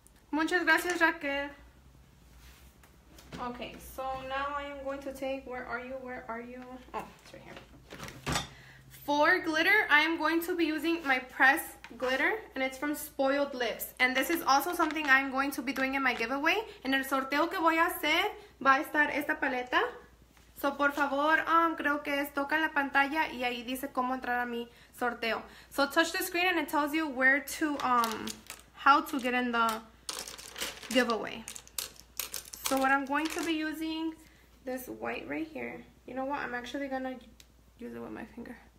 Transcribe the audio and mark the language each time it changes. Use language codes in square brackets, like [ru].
[es] Muchas gracias, [en] Raquel. Okay, so now I am going to take, where are you, where are you? Oh, it's right here. For glitter, I am going to be using my pressed glitter, and it's from Spoiled Lips. And this is also something I'm going to be doing in my giveaway. [es] En el sorteo que voy a hacer, va a estar esta paleta. So, por favor, creo que es toca la pantalla y ahí dice cómo entrar a mi sorteo. [en] So, touch the screen and it tells you where to, how to get in the giveaway. So, what I'm going to be using, this white right here. You know what? I'm actually gonna use it with my finger.